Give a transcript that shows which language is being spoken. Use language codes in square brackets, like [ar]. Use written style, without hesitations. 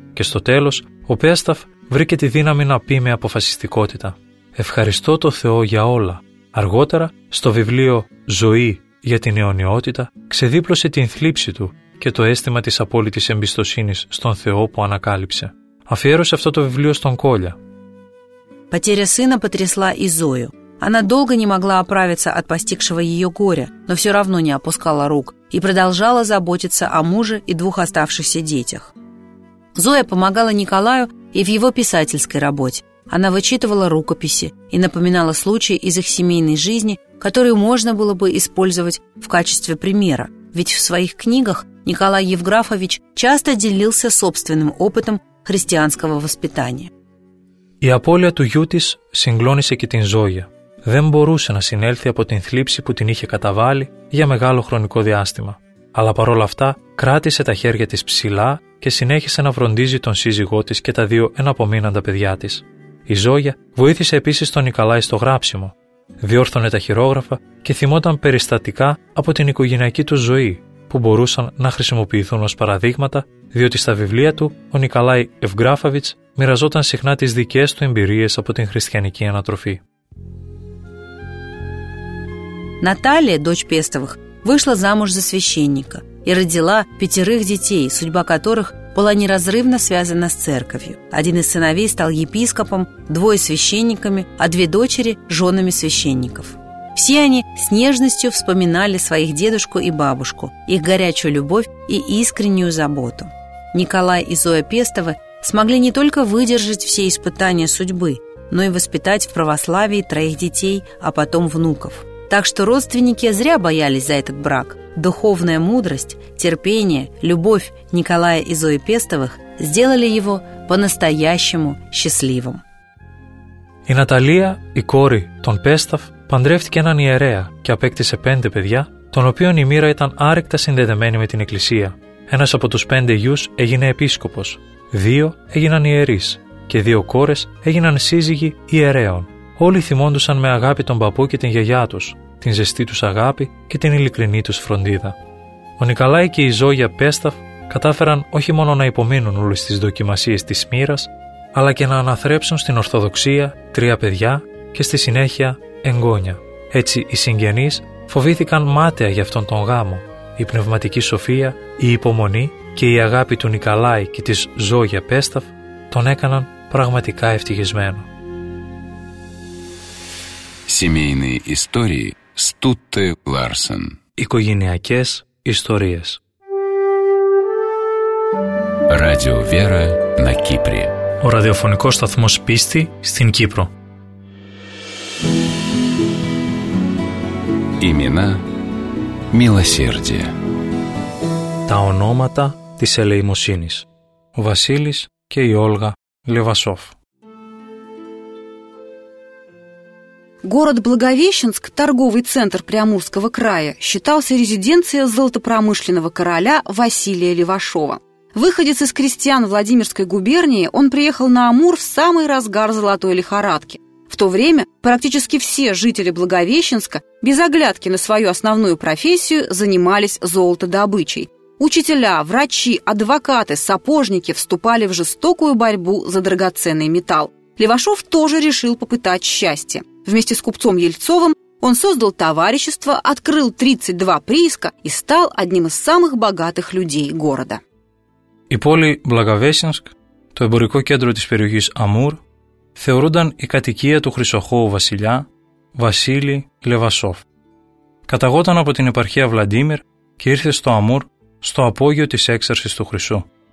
[el] Και στο τέλος, ο Πέσταφ βρήκε τη δύναμη να πει με αποφασιστικότητα «Ευχαριστώ το Θεό για όλα». Αργότερα, στο βιβλίο «Ζωή για την αιωνιότητα», ξεδίπλωσε την θλίψη του και το αίσθημα της απόλυτης εμπιστοσύνης στον Θεό που ανακάλυψε. Αφιέρωσε αυτό το βιβλίο στον Κόλια. Πατέρα σύνα πατρισλά η Ζόιο. [ru] Она долго не могла оправиться от постигшего ее горя, но все равно не опускала рук и продолжала заботиться о муже и двух оставшихся детях. Зоя помогала Николаю и в его писательской работе. Она вычитывала рукописи и напоминала случаи из их семейной жизни, которые можно было бы использовать в качестве примера. Ведь в своих книгах Николай Евграфович часто делился собственным опытом христианского воспитания. И апология ту Ютис синглонисе ки тин Зоя. [el] Δεν μπορούσε να συνέλθει από την θλίψη που την είχε καταβάλει για μεγάλο χρονικό διάστημα. Αλλά παρόλα αυτά, κράτησε τα χέρια της ψηλά και συνέχισε να φροντίζει τον σύζυγό της και τα δύο εναπομείναντα παιδιά της. Η Ζόγια βοήθησε επίσης τον Νικολάι στο γράψιμο. Διόρθωνε τα χειρόγραφα και θυμόταν περιστατικά από την οικογενειακή του ζωή, που μπορούσαν να χρησιμοποιηθούν ως παραδείγματα, διότι στα βιβλία του ο Νικολάι Ευγράφοβιτς μοιραζόταν συχνά τις δικές του εμπειρίες από την χριστιανική ανατροφή. [ru] Наталья, дочь Пестовых, вышла замуж за священника и родила 5 детей, судьба которых была неразрывно связана с церковью. Один из сыновей стал епископом, 2 священниками, а 2 дочери – женами священников. Все они с нежностью вспоминали своих дедушку и бабушку, их горячую любовь и искреннюю заботу. Николай и Зоя Пестовы смогли не только выдержать все испытания судьбы, но и воспитать в православии троих детей, а потом внуков. Так что родственники зря боялись за этот брак. Духовная мудрость, терпение, любовь Николая и Зои Пестовых сделали его по-настоящему счастливым. [el] Η Ναταλία, η κόρη των Πέσταφ, παντρεύτηκε έναν ιερέα και απέκτησε πέντε παιδιά, των οποίων η μοίρα ήταν άρρηκτα συνδεδεμένη με την Εκκλησία. Ένας από τους πέντε γιους έγινε επίσκοπος, δύο έγιναν ιερείς και δύο κόρες έγιναν σύζυγοι ιερέων. Όλοι θυμόντουσαν με αγάπη τον παππού και την γιαγιά τους, την ζεστή τους αγάπη και την ειλικρινή τους φροντίδα. Ο Νικολάη και η Ζόγια Πέσταφ κατάφεραν όχι μόνο να υπομείνουν όλες τις δοκιμασίες της μοίρας, αλλά και να αναθρέψουν στην Ορθοδοξία τρία παιδιά και στη συνέχεια εγγόνια. Έτσι οι συγγενείς φοβήθηκαν μάταια για αυτόν τον γάμο. Η πνευματική σοφία, η υπομονή και η αγάπη του Νικολάη και της Ζόγια Πέσταφ τον έκαναν πραγματικά ευτυχισμένο. [ru] Семейные истории Стутте Ларсен. [el] Οικογενειακές ιστορίες. [ru] Радио Вера на Кипре. [el] Ο ραδιοφωνικός σταθμός πίστη στην Κύπρο. [ru] Имена милосердия. [el] Τα ονόματα της ελεημοσύνης. Ο Βασίλης και η Όλγα Λεβασόφ. [ru] Город Благовещенск, торговый центр Приамурского края, считался резиденцией золотопромышленного короля Василия Левашова. Выходец из крестьян Владимирской губернии, он приехал на Амур в самый разгар золотой лихорадки. В то время практически все жители Благовещенска, без оглядки на свою основную профессию, занимались золотодобычей. Учителя, врачи, адвокаты, сапожники вступали в жестокую борьбу за драгоценный металл. Левашов тоже решил попытать счастье. Вместе с купцом Ельцовым он создал товарищество, открыл 32 прииска и стал одним из самых богатых людей города. [el] Η πόλη Благовещенск, το εμπορικό κέντρο της περιοχής Αμούρ, θεωρούνταν η κατοικία του χρυσοχώου βασιλιά, Βασίλη Λεβασόφ. Καταγόταν από την επαρχία Βλαντίμιρ και ήρθε στο Αμούρ στο απόγειο της έξαρσης του χρυσού.